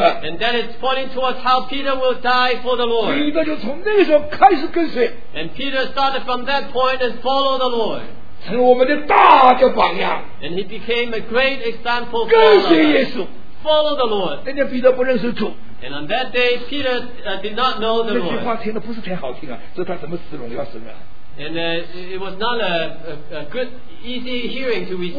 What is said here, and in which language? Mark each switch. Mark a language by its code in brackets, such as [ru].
[en] and that is pointing towards how Peter will die for the Lord. [zh] 彼得就从那个时候开始跟随, [en] and Peter started from that point and followed the Lord. And he became a great example for us. Follow the Lord. [zh] 人家彼得不认识主, [en] and on that day, Peter did not know the Lord. [zh] 那句话听得不是挺好听啊, 这他怎么死荣耀神啊? [en] And it was not a good, easy hearing to receive.